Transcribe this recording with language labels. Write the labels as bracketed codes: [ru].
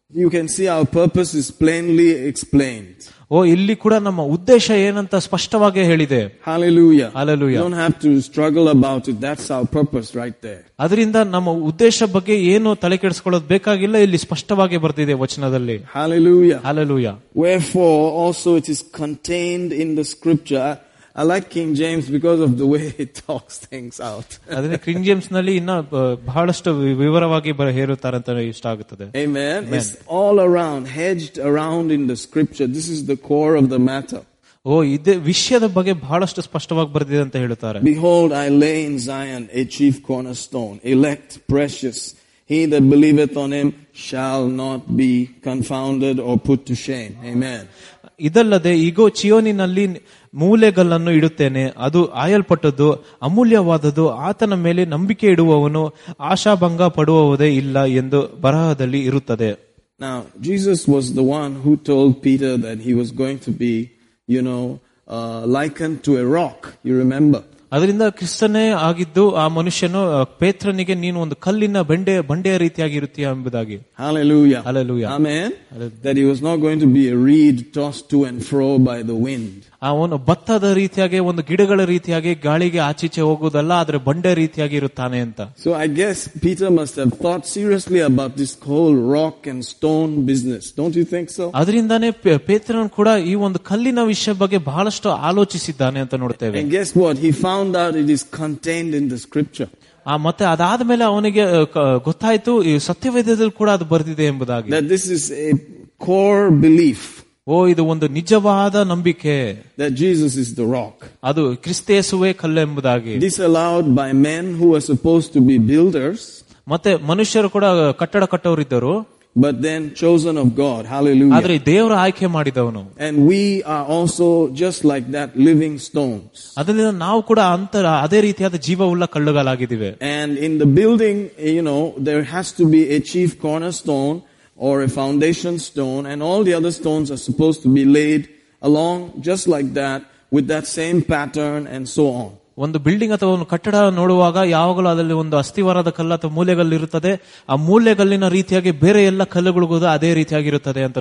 [en] You can see our purpose is plainly explained. [kn] ಓ, ಇಲ್ಲಿ ಕೂಡ ನಮ್ಮ ಉದ್ದೇಶ ಏನಂತ ಸ್ಪಷ್ಟವಾಗಿ ಹೇಳಿದೆ. [en] Hallelujah. Hallelujah. You don't have to struggle about it. That's our purpose right there. [kn] ಅದರಿಂದ ನಮ್ಮ ಉದ್ದೇಶ ಬಗ್ಗೆ ಏನು ತಲೆ ಕೆಡಿಸಿಕೊಳ್ಳೋದು ಬೇಕಾಗಿಲ್ಲ, ಇಲ್ಲಿ ಸ್ಪಷ್ಟವಾಗಿ ಬರ್ತಿದೆ ವಚನದಲ್ಲಿ. [en] Hallelujah. Hallelujah. Wherefore also it is contained in the scripture. I like King James because of the way he talks things out. [kn] ಅದನ್ನ ಕಿಂಗ್ ಜೇಮ್ಸ್ ನಲ್ಲಿ ಇನ್ನ ಬಹಳಷ್ಟು ವಿವರವಾಗಿ ಹೇರುತ್ತಾರೆ ಅಂತ ಇಷ್ಟ ಆಗುತ್ತದೆ. [en] Amen. It's all around, hedged around in the scripture. This is the core of the matter. [kn] ಓ, ಇದೇ ವಿಷಯದ ಬಗ್ಗೆ ಬಹಳಷ್ಟು ಸ್ಪಷ್ಟವಾಗಿ ಬರೆದಿದೆ ಅಂತ ಹೇಳುತ್ತಾರೆ. [en] Behold, I lay in Zion a chief cornerstone, elect, precious. He that believeth on him shall not be confounded or put to shame. Amen. [kn] ಇದಲ್ಲದೆ ಈಗೋ ಚಿಯೋನಿನಲ್ಲಿ ಮೂಲೆಗಲ್ಲನ್ನು ಇಡುತ್ತೇನೆ, ಅದು ಆಯಲ್ಪಟ್ಟದ್ದು, ಅಮೂಲ್ಯವಾದದ್ದು, ಆತನ ಮೇಲೆ ನಂಬಿಕೆ ಇಡುವವನು ಆಶಾಭಂಗ ಪಡುವವದೇ ಇಲ್ಲ ಎಂದು ಬರಹದಲ್ಲಿ ಇರುತ್ತದೆ. [en] Now Jesus was the one who told Peter that he was going to be, you know, likened to a rock, you remember. [kn] ಅದರಿಂದ ಕ್ರಿಸ್ತನೇ ಆಗಿದ್ದು ಆ ಮನುಷ್ಯನು ಪೇತ್ರನಿಗೆ ನೀನು ಒಂದು ಕಲ್ಲಿನ ಬಂಡೆಯ ರೀತಿಯಾಗಿ ಇರುತ್ತೀಯ ಎಂಬುದಾಗಿ. [en] Hallelujah. Hallelujah. Amen. That he was not going to be a reed tossed to and fro by the wind. [kn] ಅವನು ಭತ್ತದ ರೀತಿಯಾಗಿ ಒಂದು ಗಿಡಗಳ ರೀತಿಯಾಗಿ ಗಾಳಿಗೆ ಆಚೀಚೆ ಹೋಗುವುದಲ್ಲ, ಆದರೆ ಬಂಡೆ ರೀತಿಯಾಗಿ ಇರುತ್ತಾನೆ ಅಂತ. [en] So I guess Peter must have thought seriously about this whole rock and stone business, don't you think so? [kn] ಅದರಿಂದಾನೆ ಪೇತ್ರನ್ ಕೂಡ ಈ ಒಂದು ಕಲ್ಲಿನ ವಿಷಯ ಬಗ್ಗೆ ಬಹಳಷ್ಟು ಆಲೋಚಿಸಿದ್ದಾನೆ ಅಂತ ನೋಡ್ತೇವೆ. [en] I guess what he found out it is contained in the scripture. [kn] ಮತ್ತೆ ಅದಾದ ಮೇಲೆ ಅವನಿಗೆ ಗೊತ್ತಾಯ್ತು ಈ ಸತ್ಯವೇದದಲ್ಲಿ ಕೂಡ ಅದು ಬರೆದಿದೆ ಎಂಬುದಾಗಿ. [en] That this is a core belief. [kn] ಓ, ಇದು ಒಂದು ನಿಜವಾದ ನಂಬಿಕೆ. [en] That Jesus is the rock. [kn] ಅದು ಕ್ರಿಸ್ತೇಸುವೆ ಕಲ್ಲು ಎಂಬುದಾಗಿ. [en] Disallowed by men who were supposed to be builders. [kn] ಮತ್ತೆ ಮನುಷ್ಯರು ಕೂಡ ಕಟ್ಟಡ ಕಟ್ಟೋರಿದ್ದರು. [en] But then chosen of God. Hallelujah. [kn] ಆದರೆ ದೇವರು ಆಯ್ಕೆ ಮಾಡಿದವನು. [en] And we are also just like that, living stones. [kn] ಅದರಿಂದ ನಾವು ಕೂಡ ಅಂತರ ಅದೇ ರೀತಿಯಾದ ಜೀವವುಳ್ಳ ಕಲ್ಲುಗಳಾಗಿದ್ದೇವೆ. [en] And in the building, you know, there has to be a chief cornerstone. Or a foundation stone, and all the other stones are supposed to be laid along just like that, with that same pattern, and so on. [kn] ಒಂದು building ಅಥವಾ ಒಂದು ಕಟ್ಟಡ ನೋಡುವಾಗ ಯಾವಾಗಲೂ ಅದರಲ್ಲಿ ಒಂದು ಅಸ್ಥಿವಾರದ ಕಲ್ಲು ಅಥವಾ ಮೂಲೆಗಲ್ಲಿರುತ್ತದೆ. ಆ ಮೂಲೆಗಲ್ಲಿನ ರೀತಿಯಾಗಿ ಬೇರೆ ಎಲ್ಲ ಕಲ್ಲುಗಳಿಗೂ ಅದೇ ರೀತಿಯಾಗಿರುತ್ತದೆ ಅಂತ